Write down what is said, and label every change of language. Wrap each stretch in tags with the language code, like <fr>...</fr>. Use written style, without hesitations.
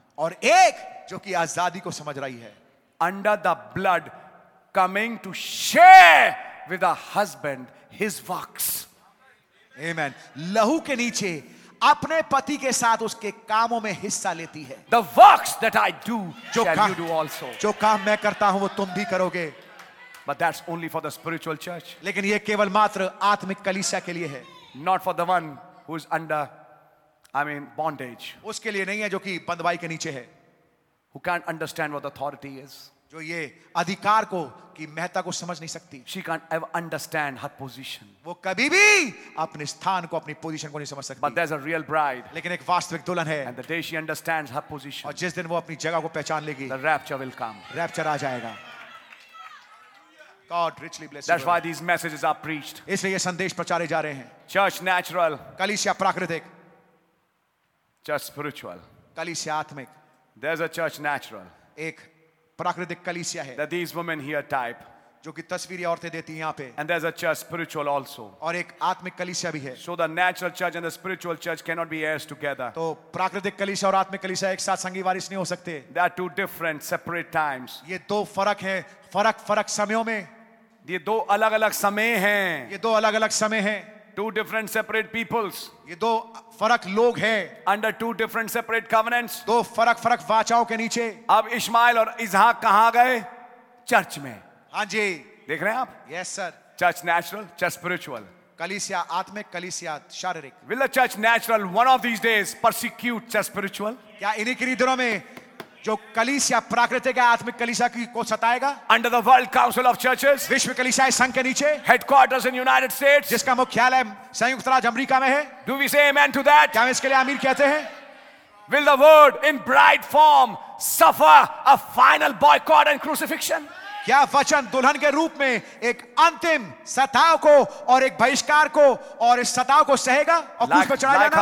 <hi>और एक जो कि आजादी को समझ रही है,</hi> <en>under the blood, coming to share with a husband his works, amen.</en> <hi>लहू के नीचे अपने पति के साथ उसके कामों में हिस्सा लेती है.</hi> <en>The works that I do, shall you do also.</en> <hi>जो काम मैं करता हूं वो तुम भी करोगे.</hi> <en>But that's only for the spiritual church.</en> <hi>लेकिन ये केवल मात्र आत्मिक कलीसिया के लिए है.</hi> <en>Not for the one who is under, bondage.</en> <hi>उसके लिए नहीं है जो कि बंधवाई के नीचे है.</hi> <en>Who can't understand what authority is.</en> <hi>जो ये अधिकार को की महत्ता को समझ नहीं सकती.</hi> <en>She can't ever understand her position.</en> <hi>वो कभी भी अपने स्थान को अपनी पोजीशन को नहीं समझ सकती.</hi> <en>But there's a real bride.</en> <hi>लेकिन एक वास्तविक दुल्हन है.</hi> <en>And the day she understands her position.</en> <hi>और जिस दिन वो अपनी जगह को पहचान लेगी.</hi> <en>The rapture will come.</en> <hi>Rapture आ जाएगा.</hi> <en>God richly bless you. That's why these messages are preached.</en> <hi>इसलिए ये संदेश प्रचारे जा रहे हैं.</hi> <en>Church natural.</en> <hi>कलीसिया प्राकृतिक.</hi> <en>Church spiritual.</en> <hi>कलीसिया आत्मिक.</hi> <en>There's a church natural.</en> <hi>एक प्राकृतिक कलीसिया है.</hi> <en>That these women here type.</en> <hi>जो कि तस्वीरें औरतें देती हैं यहाँ पे.</hi> <en>And there's a church spiritual also.</en> <hi>और एक आत्मिक कलीसिया भी है.</hi> <en>So the natural church and the spiritual church cannot be heirs together.</en> <hi>तो प्राकृतिक कलीसिया और आत्मिक कलीसिया एक साथ संगी वारिस नहीं हो सकते.</hi> <en>They are two different, separate times.</en> <hi>ये दो फरक हैं, फरक फरक समयों में. ये दो अलग अलग समय हैं. ये दो अलग अलग समय हैं.</hi> <en>Two different separate peoples.</en> <hi>ये दो फरक लोग हैं.</hi> <en>Under two different separate covenants.</en> <hi>दो फरक फरक वाचाओं के नीचे. अब इश्माइल और इसहाक कहां गए? चर्च में. हाँ जी. देख रहे हैं आप?</hi> <en>Yes sir. Church natural, church spiritual.</en> <hi>कलीसिया आत्मिक, कलीसिया शारीरिक.</hi> <en>Will the church natural one of these days persecute church spiritual?</en> <hi>क्या इन्हीं के दिनों में जो कलीसिया प्राकृतिक है आत्मिक कलीसिया की को सताएगा?</hi> <en>under the World Council of Churches,</en> <hi>विश्व कलीसिया संघ के नीचे,</hi> <en>headquarters in United States,</en> <hi>जिसका मुख्यालय संयुक्त राज्य अमेरिका में है.</hi> <en>Do we say amen to that?</en> <hi>क्या हम इसके लिए आमीन कहते हैं?</hi> <en>Will the word in bride form suffer a final boycott and crucifixion?</en> <hi>क्या वचन दुल्हन के रूप में एक अंतिम सताव को और एक बहिष्कार को और इस सताव को सहेगा और क्रूस पर चढ़ा जाएगा?</hi>